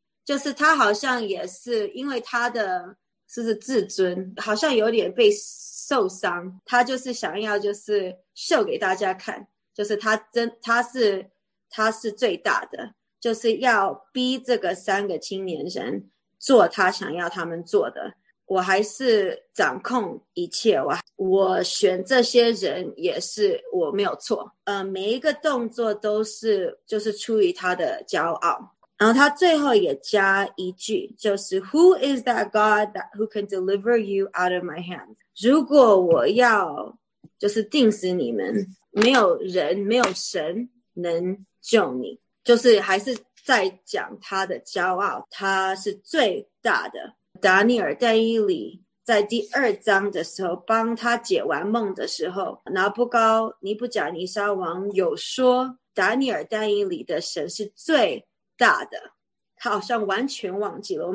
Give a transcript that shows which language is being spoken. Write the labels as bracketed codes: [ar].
[zh] 就是他好像也是因为他的是自尊好像有点被受伤，他就是想要就是秀给大家看，就是他是最大的，就是要逼这个三个青年人做他想要他们做的，我还是掌控一切，我选这些人也是我没有错，每一个动作都是就是出于他的骄傲。然后他最后也加一句，就是 [en] Who is that God that who can deliver you out of my hands？ [zh] 如果我要就是定死你们，没有人没有神能救你，就是还是在讲他的骄傲，他是最大的。达尼尔但以理在第二章的时候帮他解完梦的时候，尼布甲尼撒王有说达尼尔但以理的神是最大的，他好像完全忘记了。